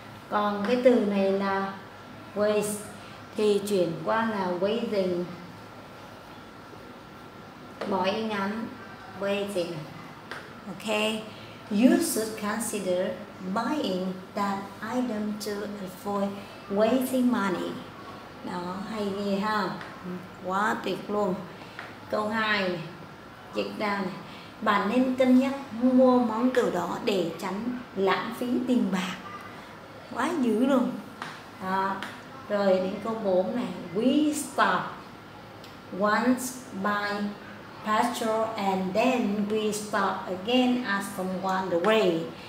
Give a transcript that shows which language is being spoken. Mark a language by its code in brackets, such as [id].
[vi] Còn cái từ này là waste thì chuyển qua là wasting, bỏ ý ngắn wasting. [en] Ok, you should consider buying that item to avoid wasting money. [vi] Đó, hay ghê ha, quá tuyệt luôn. Câu 2 dịch ra này: bạn nên cân nhắc mua món đồ đó để tránh lãng phí tiền bạc. Quá dữ luôn. Đó. Rồi đến câu 4 này: [en] We stop once by petrol and then we stop again as someone on the way.